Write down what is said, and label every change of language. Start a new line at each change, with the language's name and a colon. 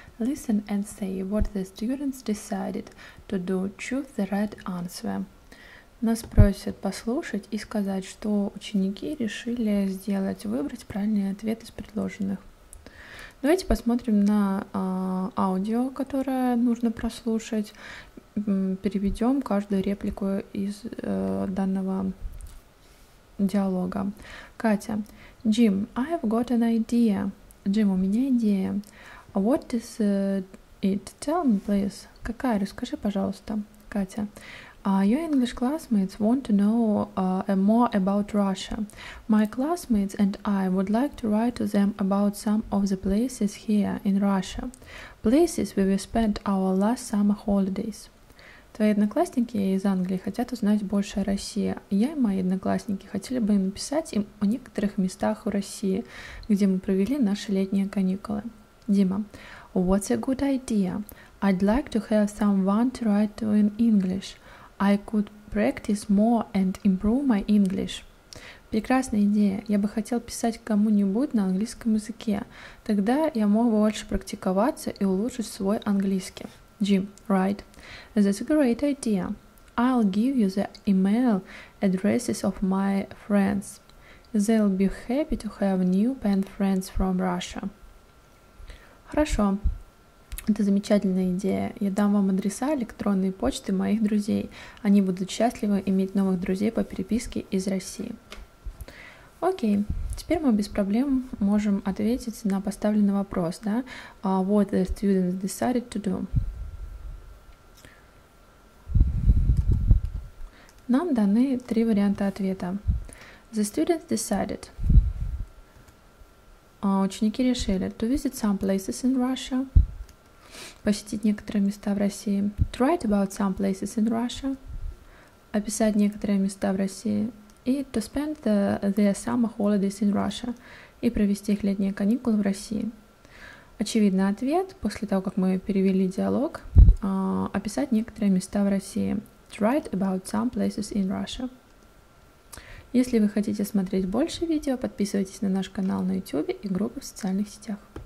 English: Listen and say what the students decided to do. Choose the right answer.
Russian: Нас просят послушать и сказать, что ученики решили сделать, выбрать правильный ответ из предложенных. Давайте посмотрим на аудио, которое нужно прослушать. Переведем каждую реплику из данного диалога.
English: Катя. Jim, I've got an idea.
Russian: Jim, у меня идея.
English: What is it? Tell me, please.
Russian: Какая? Расскажи, пожалуйста. Катя.
English: Your English classmates want to know more about Russia. My classmates and I would like to write to them about some of the places here in Russia. Places where we spent our last summer holidays.
Russian: Твои одноклассники из Англии хотят узнать больше о России. Я и мои одноклассники хотели бы написать им о некоторых местах в России, где мы провели наши летние каникулы.
English: Дима. What's a good idea? I'd like to have someone to write to in English. I could practice more and improve my English.
Russian: Прекрасная идея. Я бы хотел писать кому-нибудь на английском языке. Тогда я мог бы больше практиковаться и улучшить свой английский.
English: Jim, right. That's a great idea. I'll give you the email addresses of my friends. They'll be happy to have new pen friends from Russia.
Russian: Хорошо. Это замечательная идея. Я дам вам адреса электронной почты моих друзей. Они будут счастливы иметь новых друзей по переписке из России. Окей, теперь мы без проблем можем ответить на поставленный вопрос, да?
English: What the students decided to do.
Russian: Нам даны три варианта ответа.
English: The students decided.
Russian: Ученики решили
English: to visit some places in Russia.
Russian: Посетить некоторые места в России.
English: To write about some places in Russia.
Russian: Описать некоторые места в России. И
English: to spend their summer holidays in Russia.
Russian: И провести их летние каникулы в России. Очевидный ответ, после того, как мы перевели диалог, описать некоторые места в России.
English: To write about some places in Russia.
Russian: Если вы хотите смотреть больше видео, подписывайтесь на наш канал на YouTube и группы в социальных сетях.